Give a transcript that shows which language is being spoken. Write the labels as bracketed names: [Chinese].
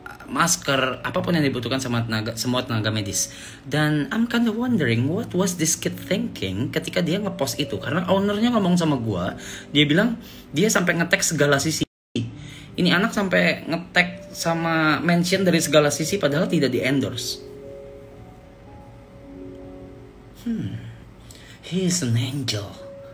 [Indonesian] masker, apapun yang dibutuhkan sama tenaga, semua tenaga medis. Dan [English] I'm kind of wondering what was this kid thinking [Indonesian] ketika dia ngepost itu. Karena ownernya ngomong sama gue, dia bilang dia sampai ngetag segala sisi. Ini anak sampai ngetag sama mention dari segala sisi padahal tidak di endorse. [English] He is an angel.